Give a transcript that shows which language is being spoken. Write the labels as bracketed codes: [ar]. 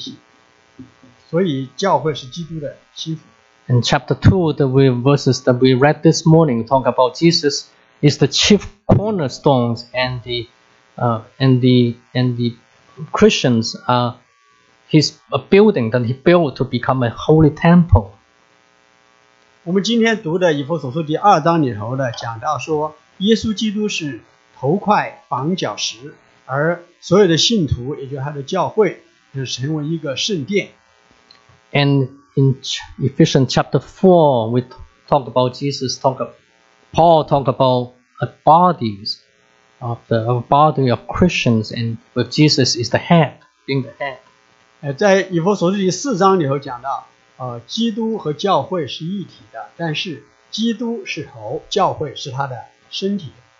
[zh] 一个我们知道基督和教会，犹如当保罗讲到基督和教会的关系的时候，讲到丈夫和妻子的关系，所以教会是基督的心腹。 [en] In chapter 2, the verses that we read this morning talk about Jesus is the chief cornerstones, and the Christians are his a building that he built to become a holy temple. [zh] 我们今天读的以弗所书第二章里头的讲到说，耶稣基督是头块、房角石，而所有的信徒，也就是他的教会，就是成为一个圣殿。 [en] And in Ephesians chapter 4, we talk about Jesus, Paul talk about a bodies of the a body of Christians, and with Jesus is the head, being the head. [zh] 在以弗所书第四章里头讲到，基督和教会是一体的，但是基督是头，教会是他的身体。